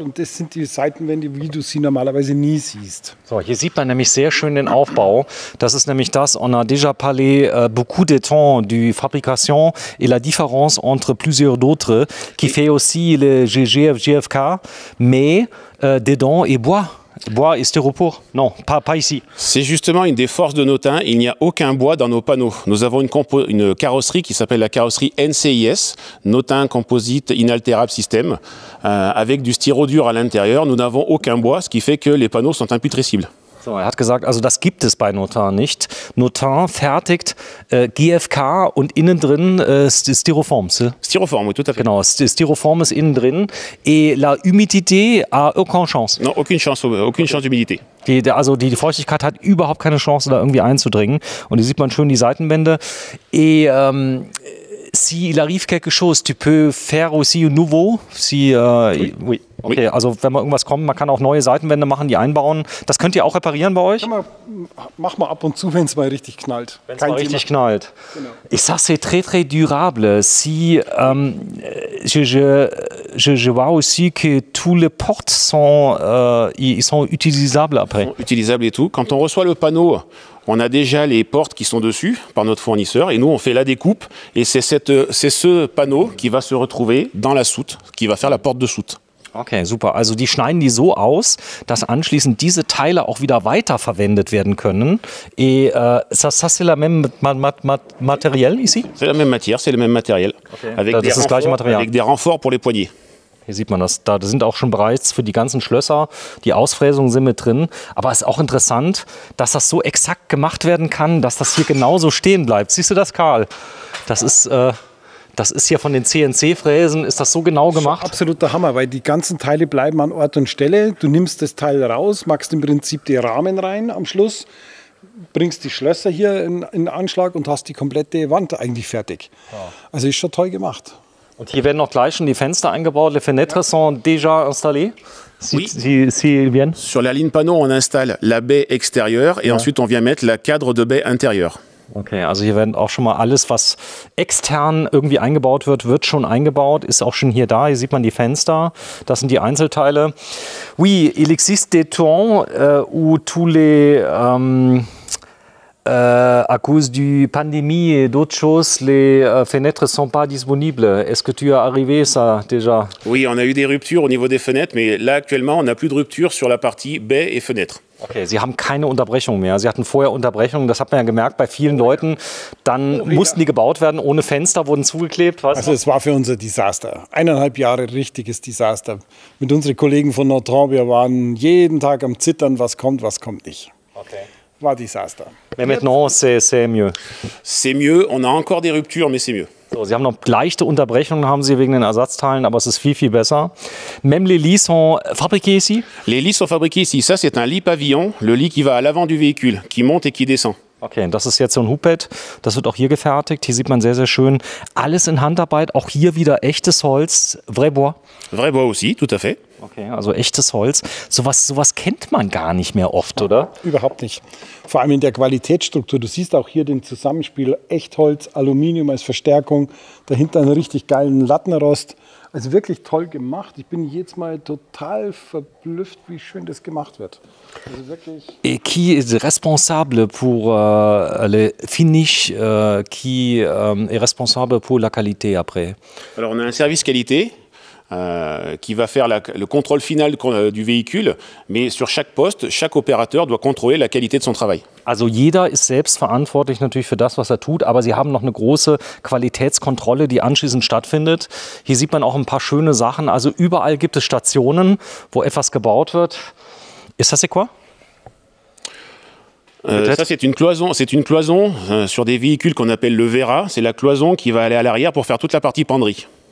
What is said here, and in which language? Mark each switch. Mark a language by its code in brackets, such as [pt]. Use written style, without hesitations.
[de] Und das sind die Seitenwände, wie du sie normalerweise nie siehst. So, hier sieht man nämlich sehr schön den Aufbau. Das ist nämlich das, [fr] on a déjà parlé beaucoup de temps de fabrication et la différence entre plusieurs d'autres, qui fait aussi le GFK, mais dedans et bois. Bois et styropour? Non, pas ici. C'est justement une des forces de Notin, il n'y a aucun bois dans nos panneaux. Nous avons une carrosserie qui s'appelle la carrosserie NCIS, Notin Composite Inaltérable System, avec du styrodur à l'intérieur. Nous n'avons aucun bois, ce qui fait que les panneaux sont imputrescibles. [de] So, er hat gesagt, also das gibt es bei Notin nicht. Notin fertigt GFK und innen drin Styroform. [fr] Styroform, oui, tout à fait. [de] Genau, Styroform ist innen drin. [fr] Et la humidité a aucune chance. Non, aucune chance d'humidité. [de] Also die Feuchtigkeit hat überhaupt keine Chance, da irgendwie einzudringen. Und hier sieht man schön die Seitenwände. [fr] Et si il arrive quelque chose, tu peux faire aussi un nouveau? Si, oui. Okay, oui. [de] Also wenn mal irgendwas kommt, man kann auch neue Seitenwände machen, die einbauen. Das könnt ihr auch reparieren bei euch? Mach mal ab und zu, wenn es mal richtig knallt. Wenn es mal richtig knallt. Genau. [fr] Et ça, c'est très, très durable. Si, je vois aussi que tous les portes sont, ils sont utilisables après. Utilisables et tout. Quand on reçoit le panneau, on a déjà les portes qui sont dessus par notre fournisseur et nous, on fait la découpe et c'est ce panneau qui va se retrouver dans la soute, qui va faire la porte de soute. Okay, super. [de] Also die schneiden die so aus, dass anschließend diese Teile auch wieder weiterverwendet werden können. [fr] Et ça c'est la même matériel ici? C'est la même matière, c'est le même matériel. Okay. Avec des renforts pour les poignées. [de] Hier sieht man das. Da sind auch schon bereits für die ganzen Schlösser, die Ausfräsungen sind mit drin. Aber es ist auch interessant, dass das so exakt gemacht werden kann, dass das hier genauso stehen bleibt. Siehst du das, Karl? Das ist hier von den CNC-Fräsen, ist das so genau gemacht? Absoluter Hammer, weil die ganzen Teile bleiben an Ort und Stelle. Du nimmst das Teil raus, machst im Prinzip die Rahmen rein am Schluss, bringst die Schlösser hier in Anschlag und hast die komplette Wand eigentlich fertig. Ja. Also ist schon toll gemacht. Und hier werden auch gleich schon die Fenster eingebaut. [fr] Les fenêtres sont déjà installées. Sur la ligne panneau, on installe la baie extérieure et ensuite on vient mettre la cadre de baie intérieure. [de] Okay, also hier werden auch schon mal alles, was extern irgendwie eingebaut wird, wird schon eingebaut, ist auch schon hier da. Hier sieht man die Fenster, das sind die Einzelteile. [fr] Oui, il existe des toits où tous les à cause du pandémie et d'autres choses, les fenêtres sont pas disponibles. Est-ce que tu as arrivé ça déjà? Oui, on a eu des ruptures au niveau des fenêtres, mais là actuellement, on n'a plus de rupture sur la partie baie et fenêtre. [de] Okay, sie haben keine Unterbrechung mehr. Sie hatten vorher Unterbrechungen, das hat man ja gemerkt bei vielen Leuten. Dann mussten die gebaut werden, ohne Fenster, wurden zugeklebt. Also es war für uns ein Desaster. 1,5 Jahre richtiges Desaster. Mit unseren Kollegen von Notre Dame, wir waren jeden Tag am Zittern, was kommt nicht. Okay. War Desaster. [fr] Mais maintenant, c'est mieux. C'est mieux, on a encore des ruptures, mais c'est mieux. [de] So, sie haben noch leichte Unterbrechungen, haben sie wegen den Ersatzteilen, aber es ist viel, viel besser. [fr] Même les lits sont fabriqués ici? Les lits sont fabriqués ici. Ça, c'est un lit pavillon, le lit qui va à l'avant du véhicule, qui monte et qui descend. [de] Okay, das ist jetzt so ein Hubbett. Das wird auch hier gefertigt. Hier sieht man sehr, sehr schön. Alles in Handarbeit, auch hier wieder echtes Holz. [fr] Vrai bois? Vrai bois aussi, tout à fait. [de] Okay, also echtes Holz. Sowas kennt man gar nicht mehr oft, oder? Überhaupt nicht. Vor allem in der Qualitätsstruktur. Du siehst auch hier den Zusammenspiel. Echtholz, Aluminium als Verstärkung. Dahinter einen richtig geilen Lattenrost. Also wirklich toll gemacht. Ich bin jetzt mal total verblüfft, wie schön das gemacht wird. Also wirklich. [fr] Et qui est responsable pour le finish, qui est responsable pour la qualité après? Alors, on a un service qualité. Qui va faire le contrôle final du véhicule, mais sur chaque poste, chaque opérateur doit contrôler la qualité de son travail. [de] Also jeder ist selbst verantwortlich natürlich für das, was er tut, aber sie haben noch eine große Qualitätskontrolle, die anschließend stattfindet. Hier sieht man auch ein paar schöne Sachen. Also überall gibt es Stationen, wo etwas gebaut wird. Ist das [fr] quoi? Ça, c'est une cloison sur des véhicules qu'on appelle le Vera. C'est la cloison qui va aller à l'arrière pour faire toute la partie penderie.